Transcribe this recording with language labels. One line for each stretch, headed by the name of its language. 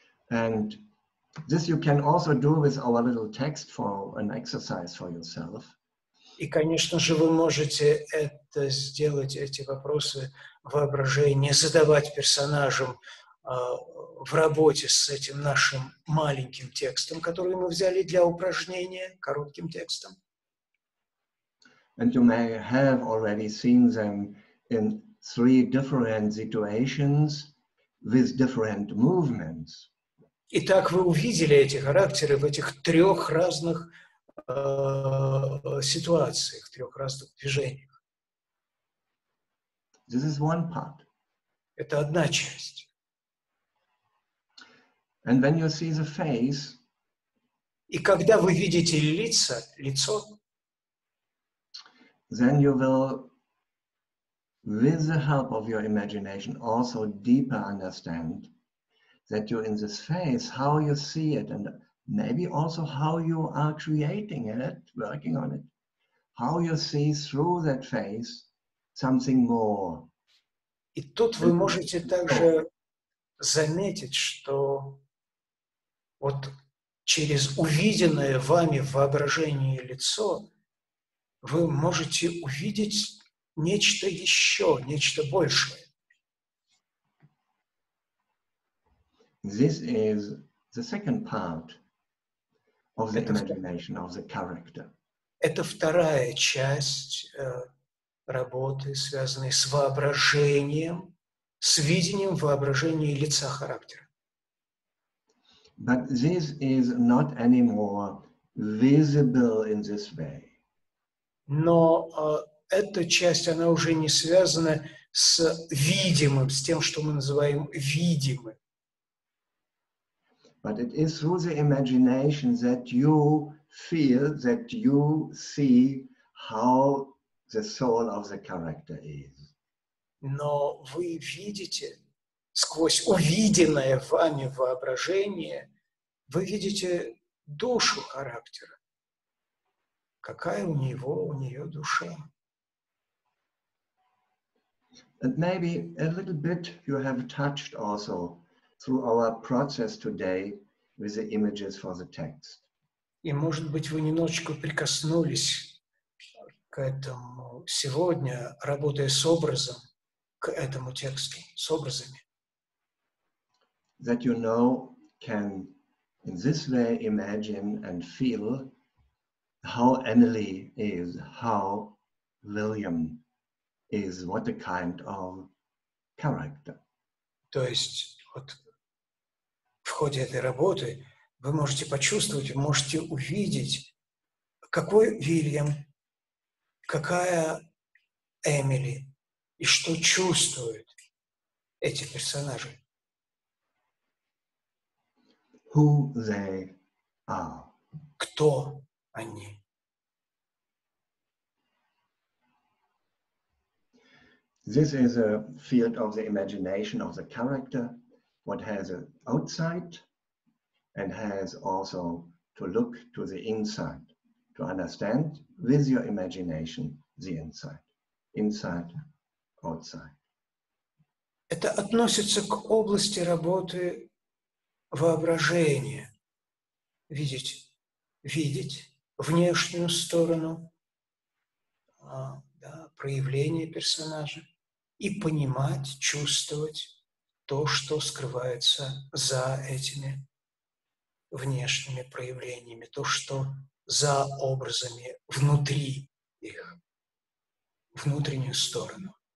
English: And this you can also do with our little text for an exercise for yourself.
Russian: И, конечно же, вы можете это сделать, эти вопросы воображения, задавать персонажам в работе с этим нашим маленьким текстом, который мы взяли для упражнения, коротким текстом.
English: And you may have already seen them in three different situations with different movements.
Russian: Итак, вы увидели эти характеры в этих трех разных ситуациях, трех разных движениях.
English: This is one part.
Russian: Это одна часть.
English: And when you see the face,
Russian: и когда вы видите лицо,
English: then you will, with the help of your imagination, also deeper understand that you're in this phase, how you see it, and maybe also how you are creating it, working on it, how you see through that phase something more.
Russian: И тут вы можете также заметить, что вот через увиденное вами в воображении лицо вы можете увидеть нечто еще, нечто большее.
English: This is the second part of the imagination of the character.
Russian: Это вторая часть работы, связанной с воображением, с видением воображения лица характера.
English: But this is not anymore visible in this way.
Russian: Но эта часть, она уже не связана с видимым, с тем, что мы называем видимым.
English: But it is through the imagination that you feel, that you see how the soul of the character is.
Russian: Но вы видите сквозь увиденное вами воображение, вы видите душу характера. Какая у него, у нее душа?
English: And maybe a little bit you have touched also through our process today with the images for the text.
Russian: И, может быть, вы немножечко прикоснулись к этому сегодня, работая с образом, к этому тексту, с образами.
English: That you know can in this way imagine and feel how Emily is, how William is, what a kind of character.
Russian: То есть, вот, в ходе этой работы вы можете почувствовать, вы можете увидеть, какой Вильям, какая Эмили и что чувствуют эти персонажи.
English: Who they are.
Russian: Кто они?
English: This is a field of the imagination of the character. What has an outside and has also to look to the inside, to understand with your imagination the inside, inside, outside.
Russian: Это относится к области работы воображения. Видеть внешнюю сторону, да, проявление персонажа и понимать, чувствовать то, что скрывается за этими внешними проявлениями, то, что за образами внутри их, внутреннюю сторону.